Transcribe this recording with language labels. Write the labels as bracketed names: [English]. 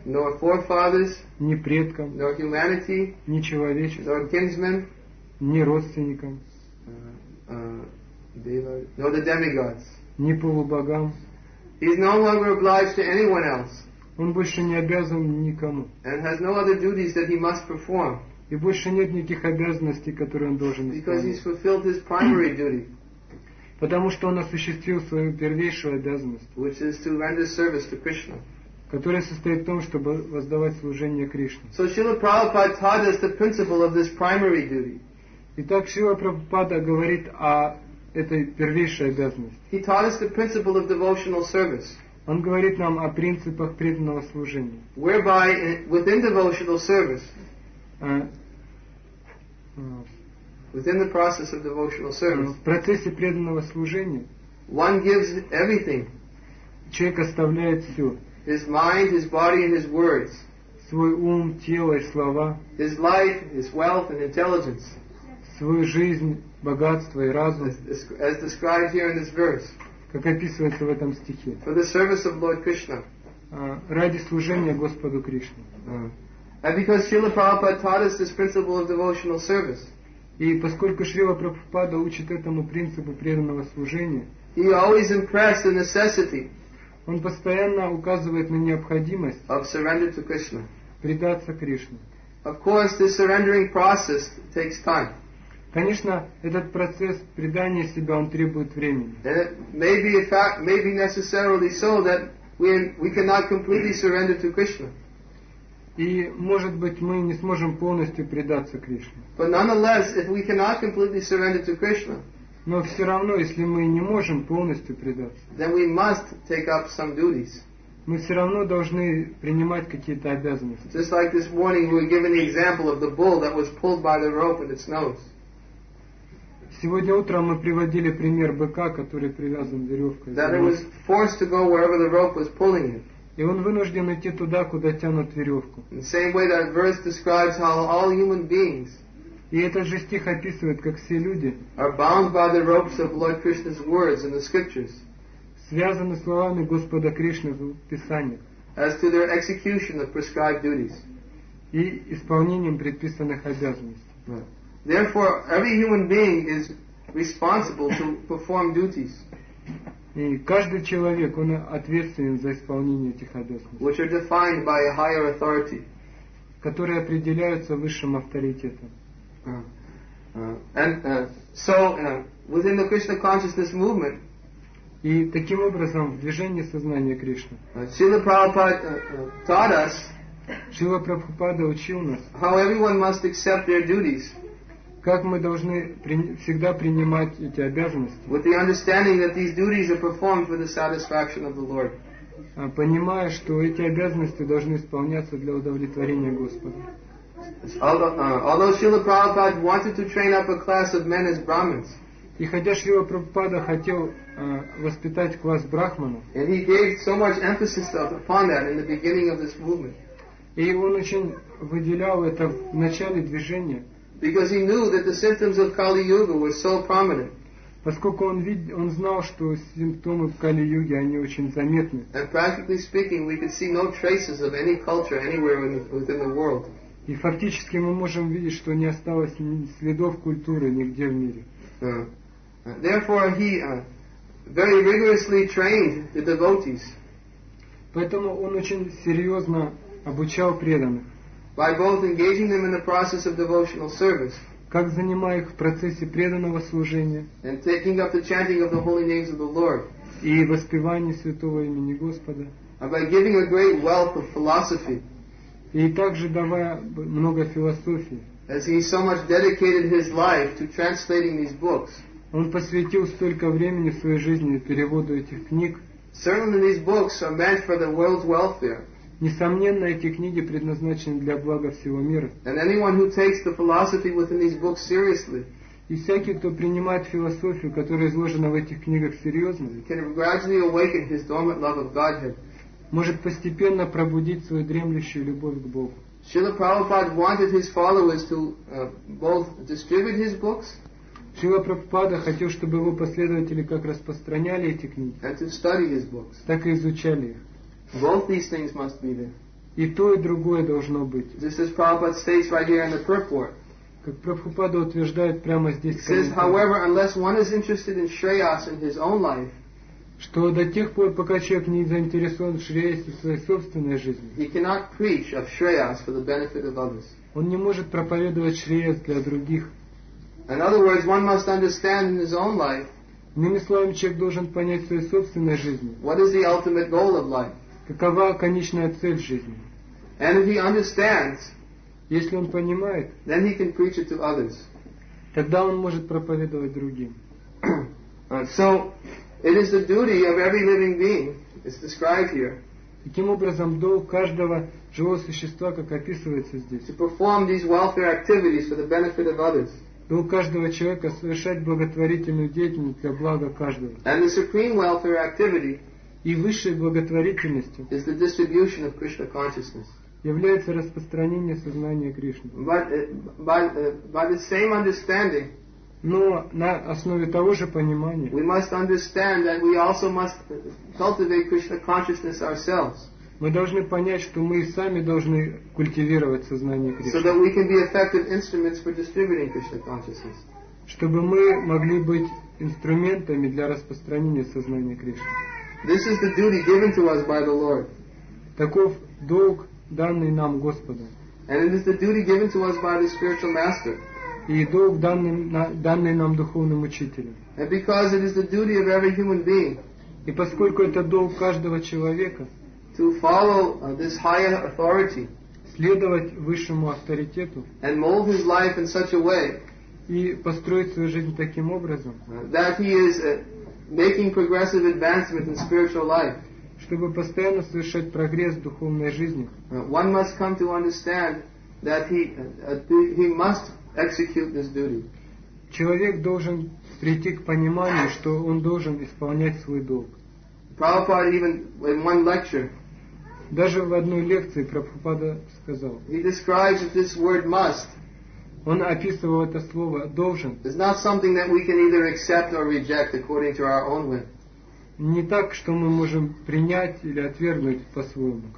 [English] nor forefathers, [Russian] ни предкам, [English] nor humanity, [Russian] ни человечеству, [English] nor kinsmen, [Russian] ни родственникам, [English] nor the demigods, [Russian] ни полубогам. [English] He's no longer obliged to anyone else. [Russian] Он больше не обязан никому. [English] And has no other duties that he must perform. [Russian] И больше нет никаких обязанностей, которые он должен исполнять. [English] Because he's fulfilled his primary duty. [Russian] Потому что он осуществил свою первейшую обязанность. [English] Which is to render service to Krishna. [Russian] Которая состоит в том, чтобы воздавать служение Кришне. [English] So Srila Prabhupada taught us the principle of this primary duty. [Russian] Итак, Шрила Прабхупада говорит о этой первейшей обязанности. [English] He taught us the principle of devotional service. [Russian] Он говорит нам о принципах преданного служения. [English] Whereby, within devotional service, within the process of devotional service, [Russian] в процессе преданного служения, [English] one gives everything. [Russian] Человек оставляет все. [English] His mind, his body, and his words. [Russian] Свой ум, тело и слова. [English] His life, his wealth, and intelligence. [Russian] Свою жизнь, богатство и разум, [English] as described here in this verse, [Russian] как описывается в этом стихе, [English] for the service of Lord Krishna, [Russian] ради служения Господу Кришне. [English] And because Srila Prabhupada taught us this principle of devotional service, [Russian] и поскольку Шрила Прабхупада учит этому принципу преданного служения, [English] he always impressed the necessity, [Russian] он постоянно указывает на необходимость, [English] of surrender to Krishna, [Russian] предаться Кришне. [English] Of course, this surrendering process takes time. [Russian] Конечно, этот процесс предания себя, он требует времени. [English] And it may be a fact, may be necessarily so that we cannot completely surrender to Krishna. [Russian] И, может быть, мы не сможем полностью предаться Кришне. [English] But nonetheless, if we cannot completely surrender to Krishna, [Russian] но все равно, если мы не можем полностью предаться, [English] then we must take up some duties. [Russian] Мы все равно должны принимать какие-то обязанности. [English] Just like this morning, we were given the example of the bull that was pulled by the rope with its nose. [Russian] Сегодня утром мы приводили пример быка, который привязан веревкой. [English] That he was forced to go wherever the rope was pulling him. [Russian] И он вынужден идти туда, куда тянут веревку. [English] In the same way that verse describes how all human beings. [Russian] И этот же стих описывает, как все люди. [English] Are bound by the ropes of Lord Krishna's words in the scriptures. [Russian] Связаны словами Господа Кришны в Писании. [English] As to their execution of prescribed duties. [Russian] И исполнением предписанных обязанностей. [English] Therefore, every human being is responsible to perform duties. [Russian] И каждый человек, он ответственен за исполнение этих обязанностей. [English] Which are defined by a higher authority. [Russian] Которые определяются высшим авторитетом. [English] Within the Krishna consciousness movement. [Russian] И таким образом, в движении сознания Кришны. [English] Srila Prabhupada taught us. [Russian] Srila Prabhupada учил нас. [English] How everyone must accept their duties. [Russian] Как мы должны всегда принимать эти обязанности? [English] With the understanding that these duties are performed for the satisfaction of the Lord. [Russian] Понимая, что эти обязанности должны исполняться для удовлетворения Господа. [English] Although Srila Prabhupada wanted to train up a class of men as Brahmins. [Russian] И хотя Шрила Прабхупада хотел воспитать класс брахманов. [English] And he gave so much emphasis upon that in the beginning of this movement. [Russian] И он очень выделял это в начале движения. [English] Because he knew that the symptoms of Kali Yuga were so prominent. [Russian] Поскольку он знал, что симптомы Кали Юги они очень заметны. [English] And practically speaking, we could see no traces of any culture anywhere within the world. [Russian] И фактически мы можем видеть, что не осталось ни следов культуры нигде в мире. [English] Therefore, he very rigorously trained the devotees. [Russian] Поэтому он очень серьезно обучал преданных. [English] By both engaging them in the process of devotional service, [Russian] как занимая их в процессе преданного служения, [English] and taking up the chanting of the holy names of the Lord, [Russian] и воспевание святого имени Господа, [English] and by giving a great wealth of philosophy, [Russian] и также давая много философии, [English] as he so much dedicated his life to translating these books, [Russian] он посвятил столько времени в своей жизни переводу этих книг. [English] Certainly, these books are meant for the world's welfare. [Russian] Несомненно, эти книги предназначены для блага всего мира. [English] And anyone who takes the philosophy within these books seriously, [Russian] и всякий, кто принимает философию, которая изложена в этих книгах серьезно, [English] can gradually awaken his dormant love of Godhead. [Russian] Может постепенно пробудить свою дремлющую любовь к Богу. [English] Srila Prabhupada wanted his followers to both distribute his books. [Russian] Шрила Прабхупада хотел, чтобы его последователи как распространяли эти книги, [English] and to study his books. [Russian] Так и изучали их. [English] Both these things must be there. [Russian] И то, и другое должно быть. [English] This is Prabhupada states right here in the purport. [Russian] Как Прабхупада утверждает прямо здесь. [English] He says, however, unless one is interested in Shreyas in his own life, [Russian] что до тех пор, пока человек не заинтересован в Шреясе в своей собственной жизни, [English] he cannot preach of Shreyas for the benefit of others. [Russian] Он не может проповедовать Шреяс для других. [English] In other words, one must understand in his own life, [Russian] иными словами, человек должен понять в своей собственной жизни, [English] what is the ultimate goal of life? [Russian] Какова конечная цель в жизни? [English] And if he understands, [Russian] если он понимает, [English] then he can preach it to others. [Russian] Тогда он может проповедовать другим. [English] So, it is the duty of every living being, it's described here. [Russian] Таким образом, долг каждого живого существа, как описывается здесь, [English] to perform these welfare activities for the benefit of others. [Russian] Долг каждого человека совершать благотворительную деятельность для блага каждого. [English] And the supreme welfare activity. [Russian] И высшей благотворительностью [English] is the distribution of Krishna consciousness. [Russian] Является распространение сознания Кришны. [English] By the same understanding, [Russian] но на основе того же понимания, [English] we must understand that we also must cultivate Krishna consciousness ourselves. [Russian] Мы должны понять, что мы сами должны культивировать сознание Кришны. [English] So that we can be effective instruments for distributing Krishna consciousness. [Russian] Чтобы мы могли быть инструментами для распространения сознания Кришны. [English] This is the duty given to us by the Lord. [Russian] Таков долг, данный нам Господом. [English] And it is the duty given to us by the spiritual master. [Russian] и долг данный нам духовным учителем. [English] And because it is the duty of every human being. [Russian] И поскольку это долг каждого человека. [English] To follow this higher authority. [Russian] Следовать высшему авторитету. [English] And mold his life in such a way. [Russian] И построить свою жизнь таким образом. [English] That he is making progressive advancement in spiritual life. [Russian] Чтобы постоянно совершать прогресс в духовной жизни. [English] One must come to understand that he must execute this duty. [Russian] Человек должен прийти к пониманию, что он должен исполнять свой долг. [English] Prabhupada even in one lecture. [Russian] Даже в одной лекции Прабхупада сказал. [English] He describes this word must. [Russian] Он описывал это слово должен. [English] It's not something that we can either accept or reject according to our own will. [Russian] Не так, что мы можем принять или отвергнуть по-своему.